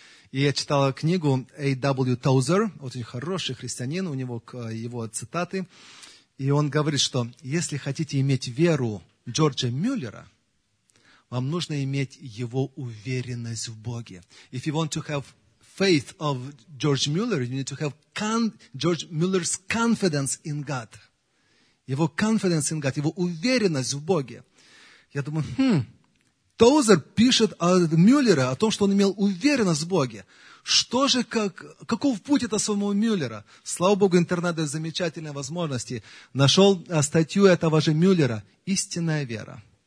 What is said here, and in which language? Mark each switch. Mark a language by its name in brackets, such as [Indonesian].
[Russian] И я читал книгу A.W. Тоузер, очень хороший христианин, у него его цитаты. И он говорит, что если хотите иметь веру Джорджа Мюллера, вам нужно иметь его уверенность в Боге. [English] If you want to have faith of George Mueller, you need to have George Mueller's confidence in God. [Russian] Его [English] confidence in God, [Russian] его уверенность в Боге. Я думаю, Тозер пишет о Мюллере, о том, что он имел уверенность в Боге. Что же, каков путь этого самого Мюллера? Слава Богу, интернет дает замечательные возможности. Нашел статью этого же Мюллера «Истинная вера».